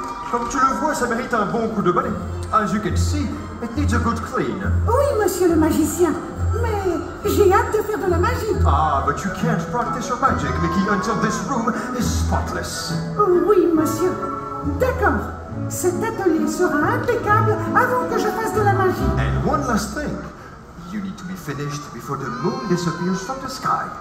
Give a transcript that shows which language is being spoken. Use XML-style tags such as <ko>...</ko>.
<fr>Comme tu le vois, ça mérite un bon coup de balai.</fr> <en>As you can see, it needs a good clean.</en> <fr>Oui, monsieur le magicien. Mais j'ai hâte de faire de la magie.</fr> <en>Ah, but you can't practice your magic, Mickey, until this room is spotless.</en> <fr>Oui, monsieur. D'accord. Cet atelier sera impeccable avant que je fasse de la magie.</fr> <en>And one last thing. You need to be finished before the moon disappears from the sky.</en>